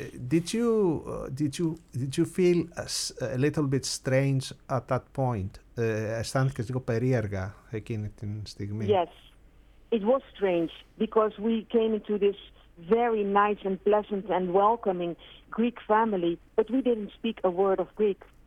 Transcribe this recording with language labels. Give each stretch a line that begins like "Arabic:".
English: Did you feel a little bit strange at that point?
Greek: Αισθάνθηκες λίγο περίεργα εκείνη την στιγμή?
English: Yes, it was strange because we came into this very nice and pleasant and welcoming Greek family, but we didn't speak a word of Greek.